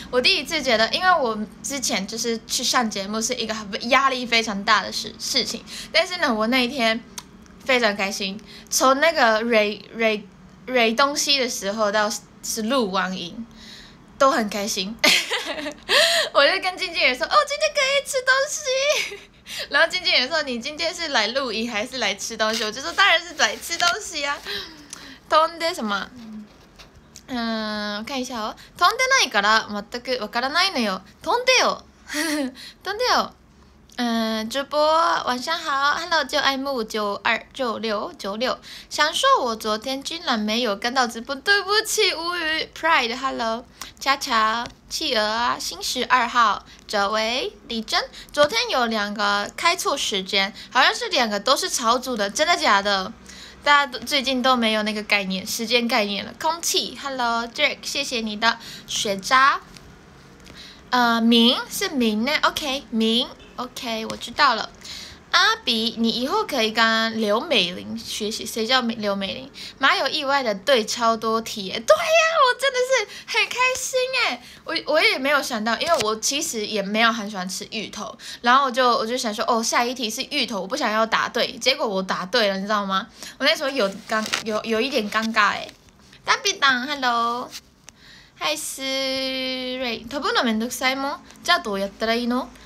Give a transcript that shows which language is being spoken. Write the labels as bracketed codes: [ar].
[zh] 我第一次觉得，因为我之前就是去上节目是一个压力非常大的事情，但是呢，我那一天非常开心，从那个蕊东西的时候到是录完音都很开心，我就跟经纪人说，哦，今天可以吃东西。然后经纪人说，你今天是来录音还是来吃东西？我就说，当然是来吃东西啊，通的什么？看一下哦， [ja] 飛んでないから全くわからないのよ。飛んでよ、飛んでよ。 [zh] 直播晚上好 ，Hello 就爱慕9296，想说我昨天居然没有跟到直播，对不起乌鱼 Pride，Hello 恰恰企鹅啊，新十二号哲维李真，昨天有两个开错时间，好像是两个都是潮组的，真的假的？大家最近都没有那个概念，时间概念了。空气 ，Hello，Jack， 谢谢你的雪渣。明是明呢 ，OK， 明 ，OK， 我知道了。阿比，你以后可以跟刘美玲学习，谁叫刘美玲？蛮有意外的，对，超多题耶，对呀、啊，我真的是很开心哎，我也没有想到，因为我其实也没有很喜欢吃芋头，然后我就想说，哦，下一题是芋头，我不想要答对，结果我答对了，你知道吗？我那时候有一点尴尬哎。 [ja] ダビダン、Hello。はい、スーレイ。飛ぶのめんどくさいもん。じゃあどうやったらいいの？